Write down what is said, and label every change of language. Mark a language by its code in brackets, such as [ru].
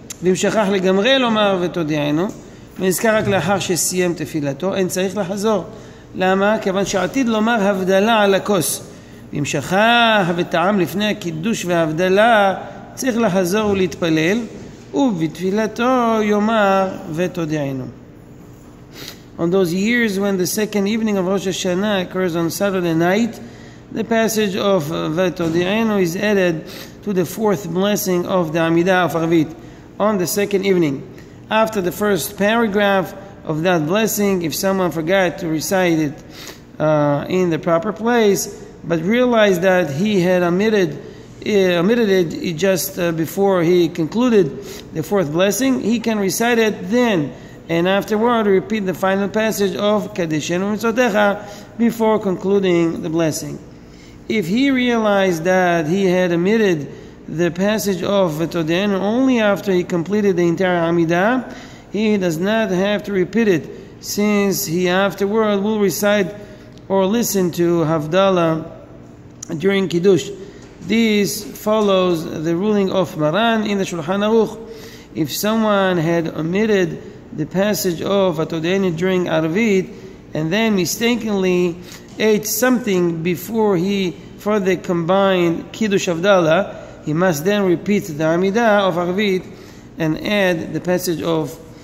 [he] ואם שכח לגמרי לומר ותודענו ונזכר רק לאחר שסיים תפילתו, אין צריך לחזור. למה? כיוון שעתיד לומר הבדלה על הכוס. אם שכח וטעם לפני הקידוש וההבדלה, צריך לחזור ולהתפלל, ובתפילתו יאמר ותודענו. [en] On those years when the second evening of Rosh Hashanah occurs on Saturday night, the passage of ותודענו is added to the fourth blessing of the Amidah of Arvit on the second evening. After the first paragraph of that blessing, if someone forgot to recite it in the proper place, but realized that he had omitted it just before he concluded the fourth blessing, he can recite it then, and afterward repeat the final passage of Kadeshenu Mitzvotecha before concluding the blessing. If he realized that he had omitted the passage of Vetodeinu only after he completed the entire Amidah, he does not have to repeat it, since he afterward will recite or listen to Havdalah during Kiddush. This follows the ruling of Maran in the Shulchan Aruch. If someone had omitted the passage of Vetodeinu during Arvit and then mistakenly ate something before he for the combined Kiddush Havdalah, he must then repeat the Amidah of Arvit and add the passage of